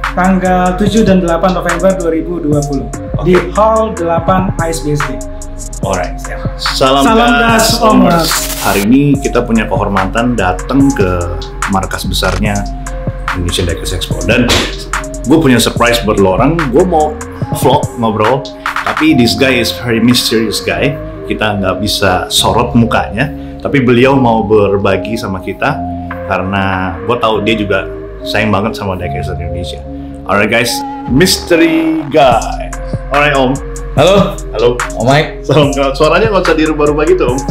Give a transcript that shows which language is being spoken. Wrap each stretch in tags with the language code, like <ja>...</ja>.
<id>Tanggal 7 dan 8 November 2020. Okay. Di Hall 8 ISBSD. Alright. Salam, salam gas Om. Hari ini kita punya kehormatan datang ke markas besarnya Indonesian Dekas Expo. Dan gue punya surprise buat lo orang. Gue mau vlog, ngobrol. Tapi</id> <en>this guy is very mysterious guy.</en> <id>Kita nggak bisa sorot mukanya. Tapi beliau mau berbagi sama kita karena gue tahu dia juga sayang banget sama The Caster Indonesia.</id> <en>Alright guys, mystery guy. Alright Om.</en> <id>Halo. Halo. Oh Mike. Salam kenal. Suaranya nggak usah dirubah-rubah gitu Om.</id>